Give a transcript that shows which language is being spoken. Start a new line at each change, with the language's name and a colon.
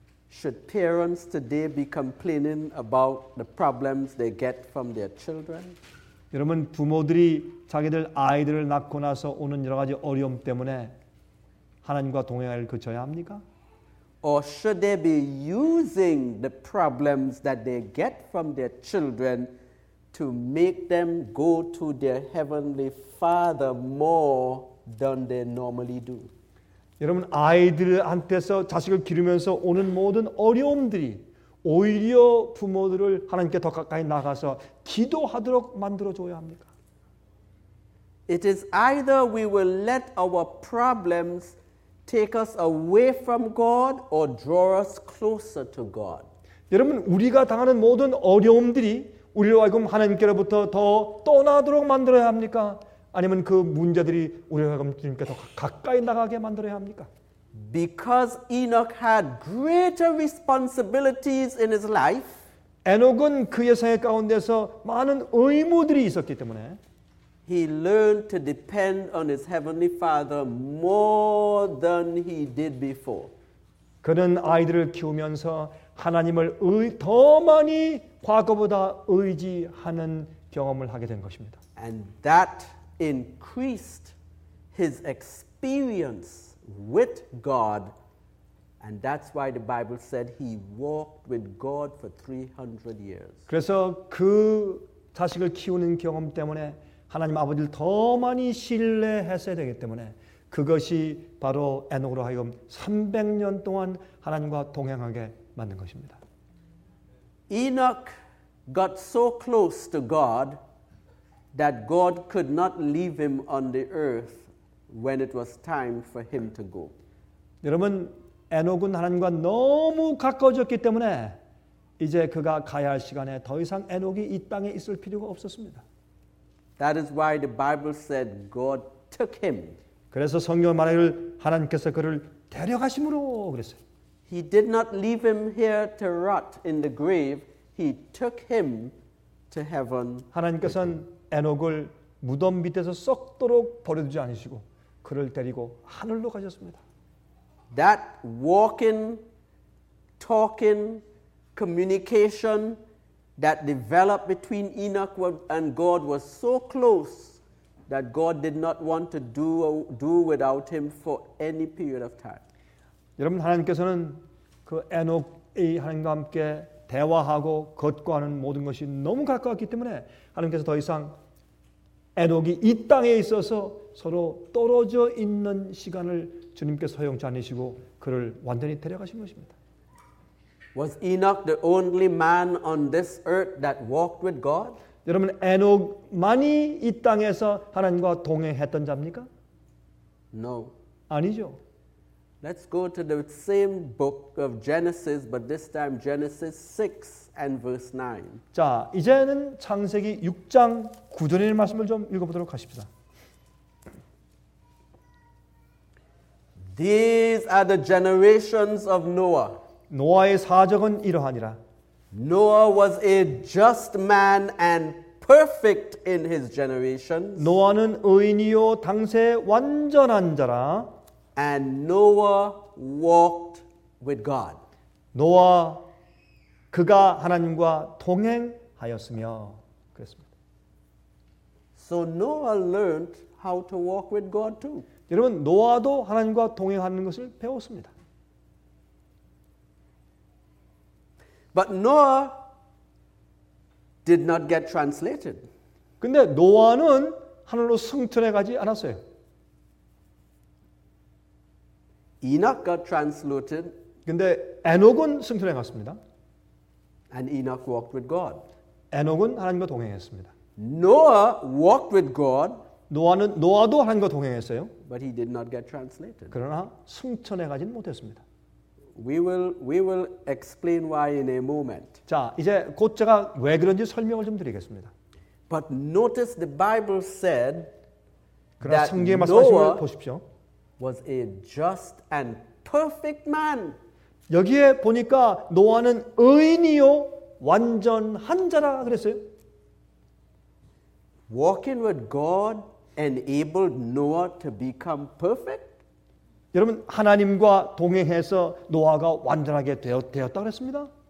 English: Should parents today be complaining about the problems they get from their children?
Korean: 여러분 부모들이 자기들 아이들을 낳고 나서 오는 여러 가지 어려움 때문에 하나님과 동행을 그쳐야 합니까?
English: Or should they be using the problems that they get from their children to make them go to their heavenly father more than they normally do.
Korean: 여러분 아이들한테서 자식을 기르면서 오는 모든 어려움들이 오히려 부모들을 하나님께 더 가까이 나가서 기도하도록 만들어 줘야 합니까?
English: It is either we will let our problems take us away from God or draw us closer to God.
Korean: 여러분 우리가 당하는 모든 어려움들이 우리로 하여금 하나님께로부터 더 떠나도록 만들어야 합니까? 아니면 그 문제들이 우리 하나님께 더 가까이 나가게 만들어야 합니까?
English: Because Enoch had greater responsibilities in his life.
Korean: 에녹은 그의 생애 가운데서 많은 의무들이 있었기 때문에
English: he learned to depend on his heavenly father more than he did before.
Korean: 그는 아이들을 키우면서 하나님을 더 많이 과거보다 의지하는 경험을 하게 된 것입니다.
English: And that increased his experience with God. And that's why the Bible said he walked with God for 300 years.
Korean: 그래서 그 자식을 키우는 경험 때문에 하나님 아버지를 더 많이 신뢰했어야 되기 때문에 그것이 바로 에녹으로 하여금 300년 동안 하나님과 동행하게 만든 것입니다.
English: Enoch got so close to God that God could not leave him on the earth when it was time for him to go.
Korean: 여러분, 에녹은 하나님과 너무 가까워졌기 때문에 이제 그가 가야 할 시간에 더 이상 에녹이 이 땅에 있을 필요가 없었습니다.
English: That is why the Bible said God took him.
Korean: 그래서 성경 말하기를 하나님께서 그를 데려가심으로 그랬어요.
English: He did not leave him here to rot in the grave. He took him to heaven.
Korean: 하나님께서는 에녹을 무덤 밑에서 썩도록 버려두지 않으시고 그를 데리고 하늘로 가셨습니다.
English: That walking, talking, communication that developed between Enoch and God was so close that God did not want to do without him for any period of time.
Korean: 여러분 하나님께서는 그 에녹이 하나님과 함께 대화하고 거듭하는 모든 것이 너무 가까웠기 때문에 하나님께서 더 이상 에녹이 이 땅에 있어서 서로 떨어져 있는 시간을 주님께서 허용치 않으시고 그를 완전히 데려가신 것입니다.
English: Was Enoch the only man on this earth that walked with God?
Korean: 여러분 에녹만이 이 땅에서 하나님과 동행했던 자입니까?
English: No.
Korean: 아니죠.
English: Let's go to the same book of Genesis, but this time Genesis 6 and verse 9.
Korean: 자, 이제는 창세기 6장 9절의 말씀을 좀 읽어보도록 하십시다.
English: These are the generations of Noah.
Korean: 노아의 사정은 이러하니라.
English: Noah was a just man and perfect in his generations.
Korean: 노아는 의인이요 당세 완전한 자라.
English: And Noah walked with God.
Korean: 노아 그가 하나님과 동행하였으며 그랬습니다.
English: So Noah learned how to walk with God too.
Korean: 여러분 노아도 하나님과 동행하는 것을 배웠습니다.
English: But Noah did not get translated.
Korean: 근데 노아는 하늘로 승천해 가지 않았어요.
English: Enoch got translated.
Korean: 근데 에녹은 승천해 갔습니다.
English: And Enoch walked with God.
Korean: 에녹은 하나님과 동행했습니다.
English: Noah walked with God.
Korean: 노아는 노아도 하나님과 동행했어요.
English: But he did not get translated.
Korean: 그러나 승천해 가진 못했습니다.
English: We will explain why in a moment.
Korean: 자, 이제 곧 제가 왜 그런지 설명을 좀 드리겠습니다.
English: But notice the Bible said that Noah was a just and perfect man.
Korean: 여기에 보니까 노아는 의인이요 완전한 자라 그랬어요.
English: Walking with God enabled Noah to become perfect.
Korean: 여러분 하나님과 동행해서 노아가 완전하게 되었다 그랬습니다.